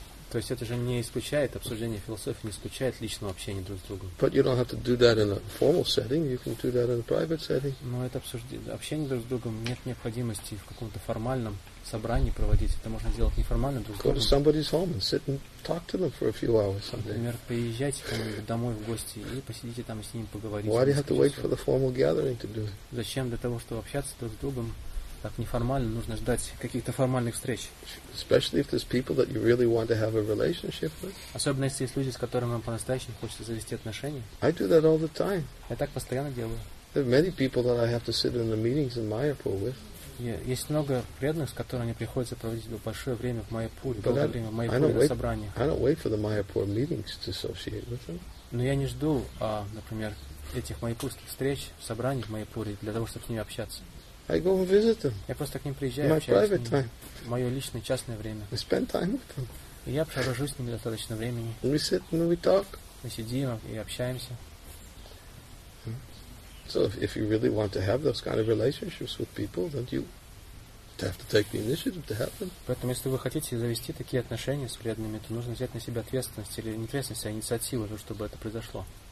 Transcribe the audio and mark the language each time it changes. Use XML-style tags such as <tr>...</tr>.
<ru>То есть это же не исключает обсуждение философии, не исключает личного общения друг с другом.</ru> <en>But you don't have to do that in a formal setting. You can do that in a private setting.</en> <ru>Но это общение друг с другом нет необходимости в каком-то формальном собрании проводить. Это можно сделать неформально друг с другом.</ru> <en>Go to somebody's home and sit and talk to them for a few hours.</en> <ru>Например, приезжайте к кому-нибудь домой в гости и посидите там с ним поговорить.</ru> <en>Why do you have to wait for the formal gathering to do it?</en> <ru>Зачем для того, чтобы общаться друг с другом? Так неформально нужно ждать каких-то формальных встреч.</ru> <en>Especially if there's people that you really want to have a relationship with.</en> <ru>Особенно если есть люди, с которыми вам по-настоящему хочется завести отношения.</ru> <en>I do that all the time.</en> <ru>Я так постоянно делаю.</ru> <en>There are many people that I have to sit in the meetings in Mayapur with.</en> <ru>Есть много преданных, с которыми мне приходится проводить большое время в Майяпуре, долгое время в Майяпуре собрания.</ru> <en>I don't wait for the Mayapur meetings to associate with them.</en> <ru>Но я не жду, например, этих майяпурских встреч, собраний в Майяпуре для того, чтобы с ними общаться.</ru> <en>I go and visit them.</en> <ru>Я просто к ним приезжаю,</ru> <en>my private time.</en> <ru>Мое личное частное время.</ru> <en>I spend time with them.</en> <ru>И я провожу с ними достаточно времени.</ru> <en>We sit and we talk.</en> <ru>Мы сидим и общаемся.</ru> <en>So if you really want to have those kind of relationships with people, then you have to take the initiative to have them.</en> <ru>Поэтому, если вы хотите завести такие отношения с преданными, то нужно взять на себя ответственность или не ответственность, а инициативу, чтобы это произошло.</ru>